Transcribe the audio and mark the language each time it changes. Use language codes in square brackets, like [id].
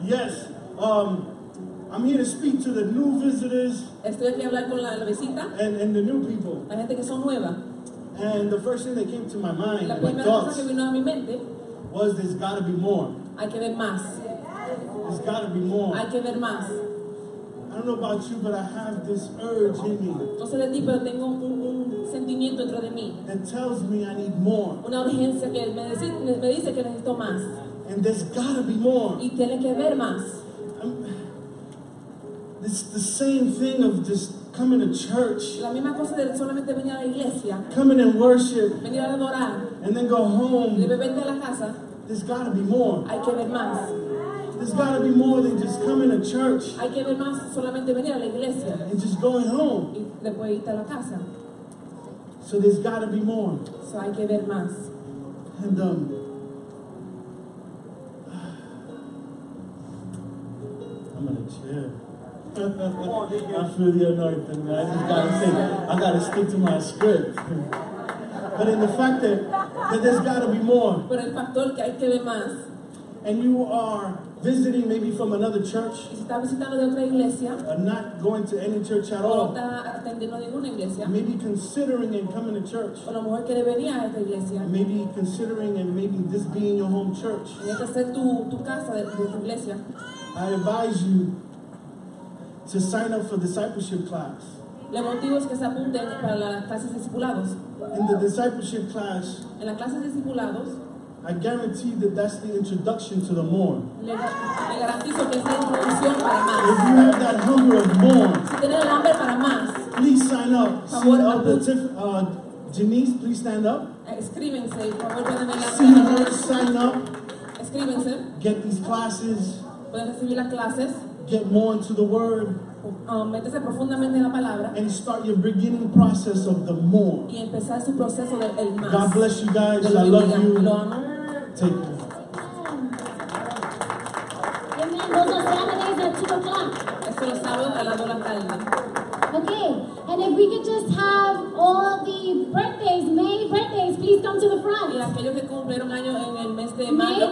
[en] Yes, I'm here to speak to the new visitors and the new people. And the first thing that came to my mind, my thoughts, [es] que vino a mi mente, [en] was there's got to be more. [es] Hay que ver más. [en] There's got to be more. [es] Hay que ver más. [en] I don't know about you, but I have this urge in me. [es] No sé de ti, pero tengo un sentimiento dentro de mí. [en] That tells me I need more. [es] Una urgencia que me dice que necesito más. [en] And there's got to be more. [es] Y tiene que ver más. [en] It's the same thing of just coming to church, [es] la misma cosa de solamente venir a la iglesia, [en] coming in worship, [es] venir a adorar, [en] and then go home. [es] De repente a la casa, [en] there's got to be more. [es] Hay que ver más. [en] There's got to be more than just coming to church. [es] Hay que ver más solamente venir a la iglesia, [en] and just going home. [es] Y después irte a la casa. [en] So there's got to be more. [es] So hay que ver más. [en] And I'm gonna chill. I feel the anointing, man. I just gotta say, I gotta stick to my script. But in the fact that there's gotta be more. [es] Pero el factor que hay que ver más. [en] And you are visiting maybe from another church. [es] Y si está visitando de otra iglesia. [en] Or not going to any church at all. [es] O está atendiendo ninguna iglesia. [en] Maybe considering and coming to church. [es] O a lo mejor quiere venir a esta iglesia. [en] Maybe considering and maybe this being your home church. [es] Y esta ser tu casa de tu iglesia. [en] I advise you to sign up for discipleship class. [es] Le motivo es que se apunten para las clases discipulados. [en] In the discipleship class, [es] en las clases discipulados, [en] I guarantee that that's the introduction to the more. [es] Le garantizo que es la introducción para más. [en] If you have that hunger of more, [es] si tienes el hambre para más, [en] please sign up. [es] Por favor, [en] Denise, please stand up. [es] Escríbense, por favor, pueden venir. [en] See her, sign up. [es] Escríbense. [en] Get these classes. [es] Pueden recibir las clases. [en] Get more into the word. [es] Métese profundamente en la palabra. [en] And start your beginning process of the more. [es] Y empezar su proceso del el más. [en] God bless you guys. I love you. [es] Lo amo. [en] Take care. Amen. Amen. Those are Saturdays at 2 o'clock. [es] Este los sábados a las 2 de la tarde. [en] Okay. And if we could just have all the birthdays, May birthdays, please come to the front. [es] Y aquellos que cumplieron año en el mes de mayo.